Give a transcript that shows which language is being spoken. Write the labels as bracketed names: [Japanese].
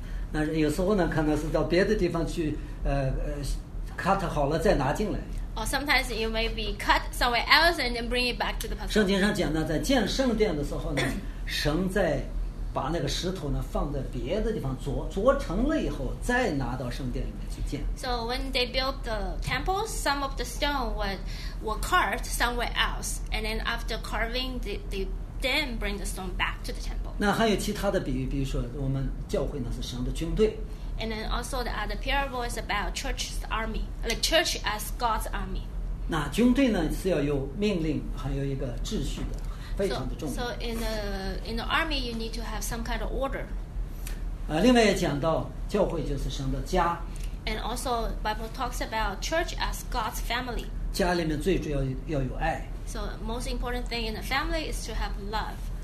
[Chinese] 那有时候呢，可能是到别的地方去cut 好了再拿进来。 [English] Or sometimes you may be cut somewhere else and then bring it back to the puzzle. [Chinese] 圣经上讲呢，在建圣殿的时候呢，神在把那个石头呢放在别的地方琢成了以后，再拿到圣殿里面去建。 [English] So when they built the temple, some of the stone were carved somewhere else, and then after carving, they then bring the stone back to the temple. [Chinese] 那还有其他的比喻，比如说我们教会呢是神的军队。 [English] And then also the other parable is about church's army, like church as God's army. [Chinese] 那军队呢是要有命令，还有一个秩序的。 [English] So in the army, you need to have some kind of order. [Chinese] 另外也讲到教会就是神的家。 [English] And also, Bible talks about church as God's family. [Chinese] 家里面最主要要有爱。 [English] So most important thing in a family is to have love.